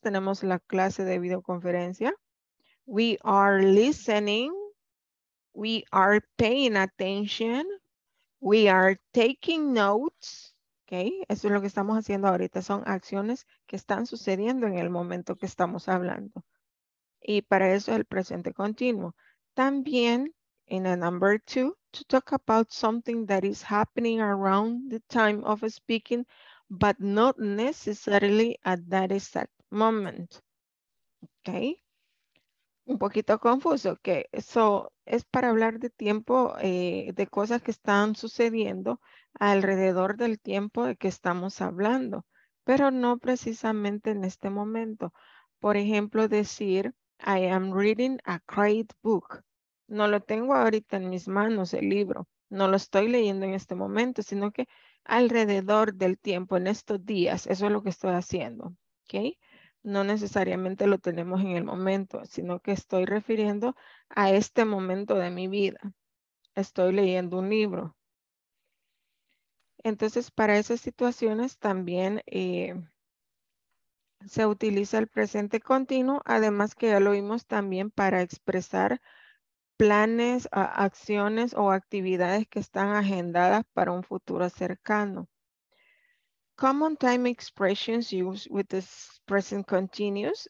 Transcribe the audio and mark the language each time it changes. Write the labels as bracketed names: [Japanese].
[Spanish] Tenemos la clase de videoconferencia. [English] We are listening. We are paying attention. We are taking notes. [Spanish] Okay, eso es lo que estamos haciendo ahorita. Son acciones que están sucediendo en el momento que estamos hablando. Y para eso es el presente continuo. También, [English] in a number two, to talk about something that is happening around the time of speaking, but not necessarily at that exact moment. Okay. [Spanish] Un poquito confuso, que eso es para hablar de tiempo, de cosas que están sucediendo alrededor del tiempo de que estamos hablando, pero no precisamente en este momento. Por ejemplo, decir, [English] I am reading a great book. [Spanish] No lo tengo ahorita en mis manos el libro, no lo estoy leyendo en este momento, sino que alrededor del tiempo, en estos días, eso es lo que estoy haciendo, ¿ok? No necesariamente lo tenemos en el momento, sino que estoy refiriendo a este momento de mi vida. Estoy leyendo un libro. Entonces, para esas situaciones también se utiliza el presente continuo, además que ya lo vimos también para expresar planes, acciones o actividades que están agendadas para un futuro cercano. [English] Common time expressions used with this present continuous.